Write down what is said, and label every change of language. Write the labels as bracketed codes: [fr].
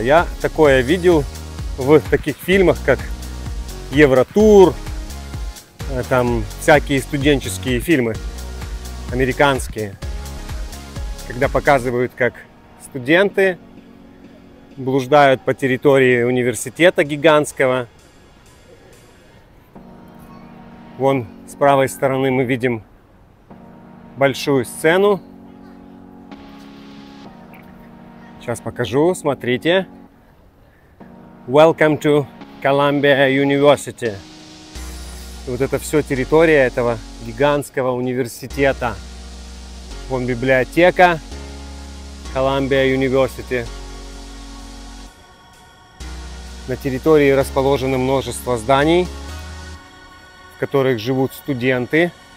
[ru] Я такое видел в таких фильмах, как Евротур, там всякие студенческие фильмы американские, когда показывают, как студенты блуждают по территории университета гигантского. Вон с правой стороны мы видим большую сцену. Сейчас покажу, смотрите. [en] Welcome to Columbia University. [ru] И вот это все территория этого гигантского университета. Вон библиотека Columbia University. На территории расположено множество зданий, в которых живут студенты.